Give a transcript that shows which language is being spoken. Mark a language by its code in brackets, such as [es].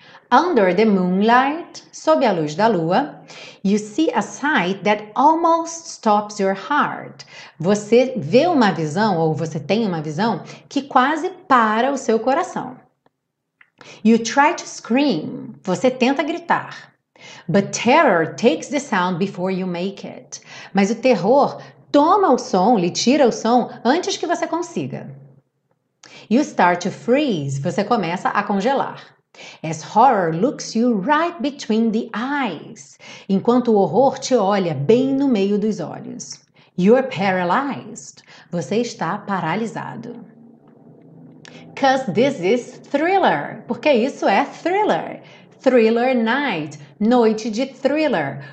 [en] Under the moonlight, [pt] sob a luz da lua, [en] you see a sight that almost stops your heart. [pt] Você vê uma visão, ou você tem uma visão, que quase para o seu coração. [en] You try to scream, [pt] você tenta gritar. [en] But terror takes the sound before you make it. [pt] Mas o terror toma o som, lhe tira o som, antes que você consiga. [en] You start to freeze, [pt] você começa a congelar. [en] As horror looks you right between the eyes. [pt] Enquanto o horror te olha bem no meio dos olhos. [en] You're paralyzed. [pt] Você está paralisado. [en] 'Cause this is thriller. [pt] Porque isso é thriller. [en] Thriller night. [pt] Noite de thriller.